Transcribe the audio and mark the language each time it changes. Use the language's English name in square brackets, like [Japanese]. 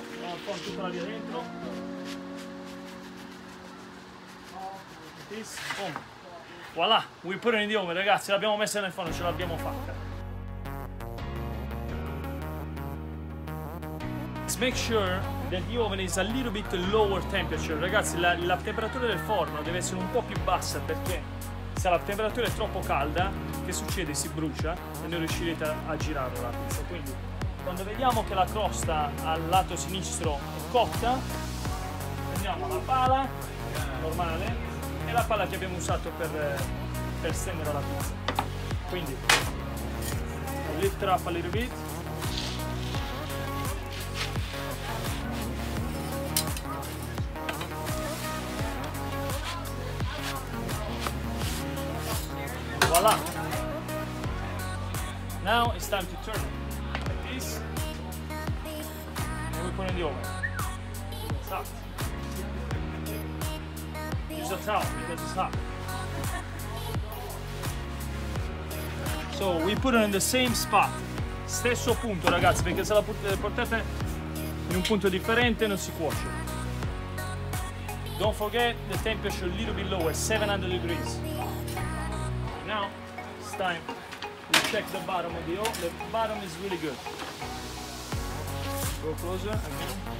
[Italian] Non porto tutta la via dentro. [English] This, boom. [Italian] voilà, [English] we put it in the oven, [Italian] ragazzi, l'abbiamo messa nel forno, ce l'abbiamo fatta. [English] Let's make sure that the oven is a little bit lower temperature. [Italian] Ragazzi, la temperatura del forno deve essere un po' più bassa, perché se la temperatura è troppo calda, che succede? Si brucia e non riuscirete a girarla la pizza. Quindi, quando vediamo che la crosta al lato sinistro è cotta, prendiamo la pala normale e la pala che abbiamo usato per stendere la pizza. Quindi, [English] lift up a little bit. [French] Voilà. [English] Now it's time to turn it like this. And we put it in the oven. It's hot. Use a towel because it's hot. So we put it in the same spot. [Italian] Stesso punto, ragazzi, perché se la portate in un punto differente non si cuoce. [English] Don't forget the temperature a little bit lower, 700 degrees. Now it's time to check the bottom of the oven. The bottom is really good. Go closer again.